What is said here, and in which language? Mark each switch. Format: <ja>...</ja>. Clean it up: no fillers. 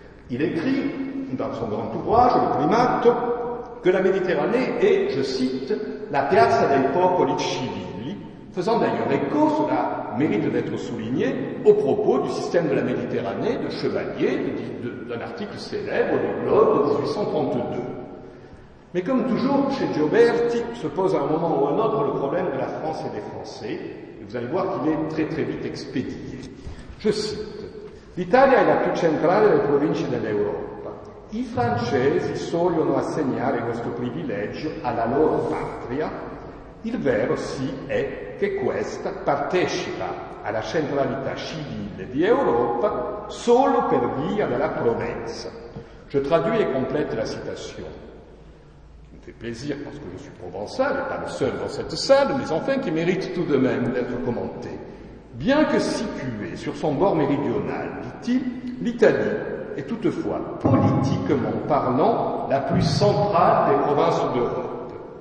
<fr>Il écrit, dans son grand ouvrage, le primate, que la Méditerranée est, je cite, «</fr> <it>la piazza dei popoli civili</it> <fr>», faisant d'ailleurs écho, cela mérite d'être souligné, au propos du système de la Méditerranée, de Chevalier, d'un article célèbre du Globe de 1832. Mais comme toujours, chez Gioberti, se pose à un moment ou à un autre le problème de la France et des Français, et vous allez voir qu'il est très très vite expédié.</fr> <it>Je cite, « L'Italia è la più centrale delle province dell'Europa. I francesi sogliono assegnare questo privilegio alla loro patria. Il vero sì è che questa partecipa alla centralità civile di Europa solo per via della Provenza. »</it> <fr>Je traduis et complète la citation. Ça me fait plaisir parce que je suis provençal, pas le seul dans cette salle, mais enfin qui mérite tout de même d'être commenté. Bien que située sur son bord méridional, dit-il, l'Italie est toutefois, politiquement parlant, la plus centrale des provinces d'Europe.</fr>